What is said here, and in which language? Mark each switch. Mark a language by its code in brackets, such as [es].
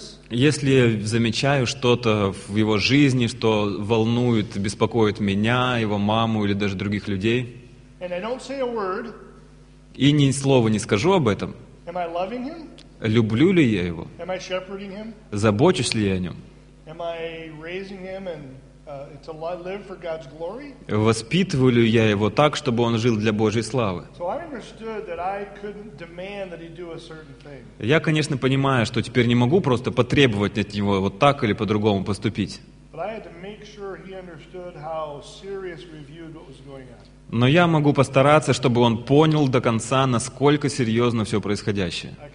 [ru] Если я замечаю что-то в его жизни, что волнует, беспокоит меня, его маму или даже других людей, [en] and I don't say a word, [ru] и ни слова не скажу об этом, [en] am I loving him? [ru] Люблю ли я его? [en] Am I shepherding him? [ru] Забочусь ли я о нем? [en] Am I raising him and, to live for God's glory? [ru] Воспитываю ли я его так, чтобы он жил для Божьей славы? [en] So I understood that I couldn't demand that he do a certain thing. [ru] Я, конечно, понимаю, что теперь не могу просто потребовать от него вот так или по-другому поступить. [en] But I had to make sure he understood how serious we viewed what was going on. [ru] Но я могу постараться, чтобы он понял до конца, насколько серьезно все происходящее.